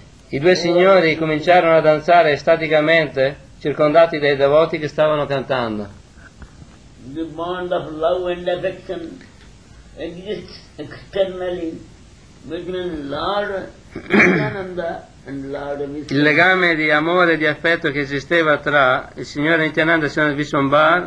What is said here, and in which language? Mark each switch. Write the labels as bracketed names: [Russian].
[Italian] I due signori cominciarono a danzare estaticamente, circondati dai devoti che stavano cantando. [English] The bond of love and affection exists externally between Lord Nityananda and Lord Vishwambara. [Italian] Il legame di amore e di affetto che esisteva tra il signore Nityananda e il signore Vishwambara.